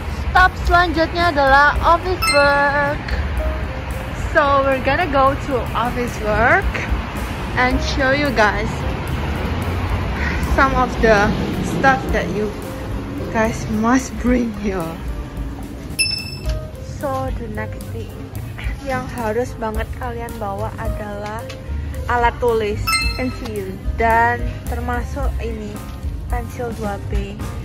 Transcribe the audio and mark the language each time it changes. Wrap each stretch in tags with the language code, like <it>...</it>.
<id>Stop selanjutnya adalah Office Work.</id> <en>So we're gonna go to Office Work and show you guys some of the stuff that you guys must bring here. So the next thing</en> <id>yang harus banget kalian bawa adalah alat tulis, pensil, dan termasuk ini pensil 2B.</id>